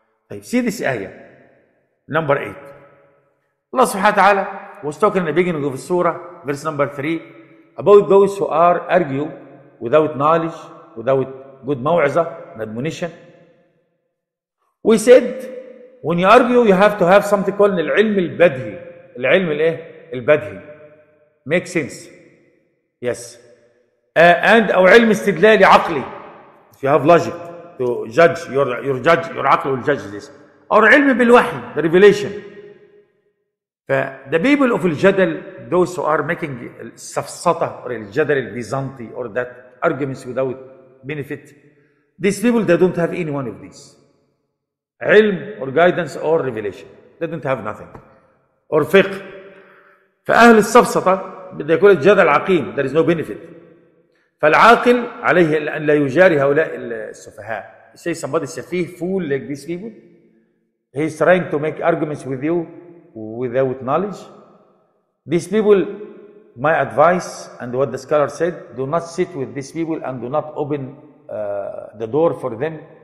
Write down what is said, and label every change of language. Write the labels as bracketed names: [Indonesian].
[Arabic] طيب, [English] see this ayah, number 8. Allah subhanahu wa ta'ala was talking in the beginning of the surah, verse number 3, about those who argue without knowledge, without good maw'izah, admonition. We said, when you argue, you have to have something called العلم البدهي. [Arabic] العلم الايه؟ البدهي. [English] Make sense. Yes. And our علم استدلالي عقلي. If you have logic to judge your judge, your عقل will judge this. Or علم بالوحي, the revelation. The people of الجدل, those who are making السفسطة or الجدل البيزنطي or that arguments without benefit, these people, they don't have any one of these. علم or guidance or revelation. They don't have nothing. Or fiqh. [Arabic] فأهل السفسطة بدي يقول الجدل عقيم. [English] There is no benefit. [Arabic] فالعاقل عليه أن لا يجاري هؤلاء السفهاء. [English] You say somebody is a fool like these people. He's trying to make arguments with you without knowledge. These people, my advice and what the scholar said, do not sit with these people and do not open the door for them.